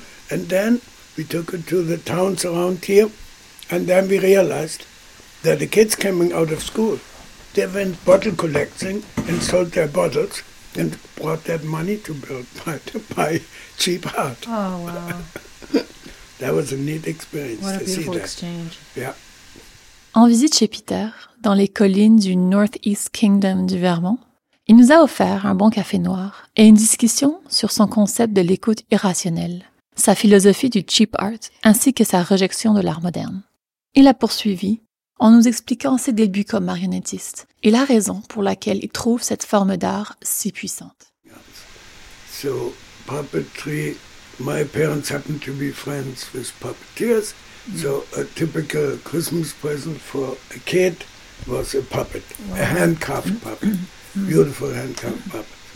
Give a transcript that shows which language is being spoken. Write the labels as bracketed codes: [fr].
[en] And then we took it to the towns around here, and then we realized that the kids coming out of school, they went bottle collecting and sold their bottles and brought that money to buy cheap art. Oh, wow. That was a neat experience. What a beautiful to see exchange. That. Yeah. [fr] En visite chez Peter, dans les collines du Northeast Kingdom du Vermont, il nous a offert un bon café noir et une discussion sur son concept de l'écoute irrationnelle, sa philosophie du cheap art ainsi que sa rejection de l'art moderne. Il a poursuivi en nous expliquant ses débuts comme marionnettiste et la raison pour laquelle il trouve cette forme d'art si puissante. [en] So, puppetry, my parents happen to be friends with puppeteers, so a typical Christmas present for a kid was a puppet, a handcuffed puppet, beautiful handcuffed puppet.